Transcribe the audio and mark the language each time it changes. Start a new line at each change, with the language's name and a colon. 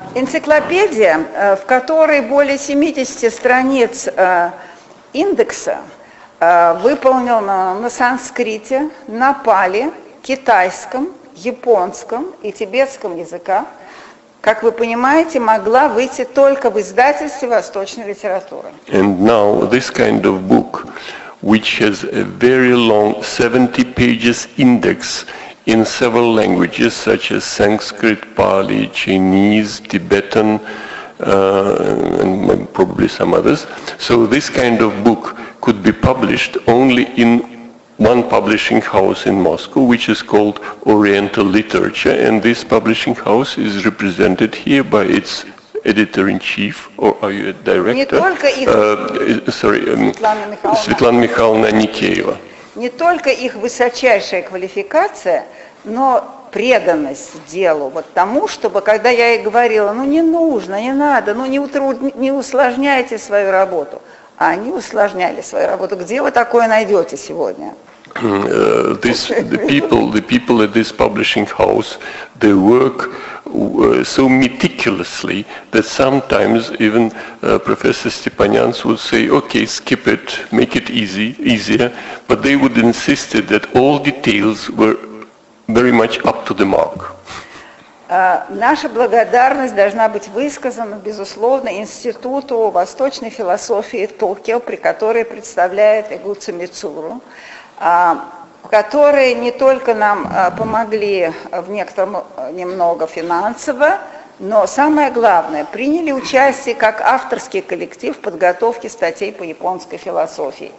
Russian: Encyclopedia, в которой более 70 страниц индекса, выполнена на санскрите, на пали, китайском, японском и тибетском языках, как вы понимаете, могла выйти только в издательстве восточной литературы.
English: And now this kind of book, which has a very long 70 pages index in several languages such as Sanskrit, Pali, Chinese, Tibetan, and probably some others. So this kind of book could be published only in one publishing house in Moscow, which is called Oriental Literature, and this publishing house is represented here by its editor-in-chief, or are you a director?
Russian: Светлана Михайловна Аникеева. Не только их высочайшая квалификация, но преданность делу, вот тому, чтобы, когда я ей говорила, ну не нужно, не надо, ну не усложняйте свою работу, а они усложняли свою работу. Где вы такое найдете сегодня?
English: The people at this publishing house, they work so meticulously that sometimes even Professor Stepanians would say, okay, skip it, make it easier, but they would insist that all details were very much up to the mark.
Russian: Наша благодарность должна быть высказана, безусловно, Институту Восточной Философии Токио, при которой представляет Игуцу Мицуру, которые не только нам помогли в некотором немного финансово, но самое главное, приняли участие как авторский коллектив в подготовке статей по японской философии.